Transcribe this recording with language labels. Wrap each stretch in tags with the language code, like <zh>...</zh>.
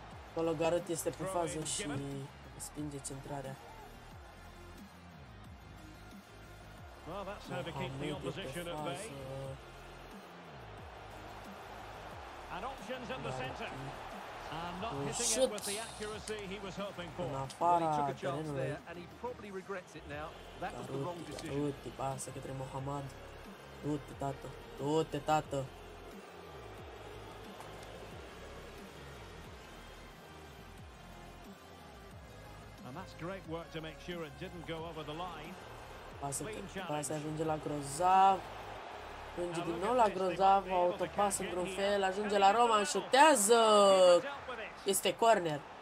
<ro>Acolo Garut este pe fază și respinge centrarea.</ro> <en>Well, that's how to keep the opposition at bay. And options in the center. And not hitting it with the accuracy he was hoping for. Well, he took a chance there and he probably regrets it now. That was the wrong decision.</en> <ro>Du-te, pasă către Mohamed. Du-te, tată. Du-te, tată.</ro> <en>And that's great work to make sure it didn't go over the line.</en> <ro>Pasă ajunge la grozav, ajunge din nou la grozav, autopas într-un fel, ajunge la Roman, șutează, este corner.</ro>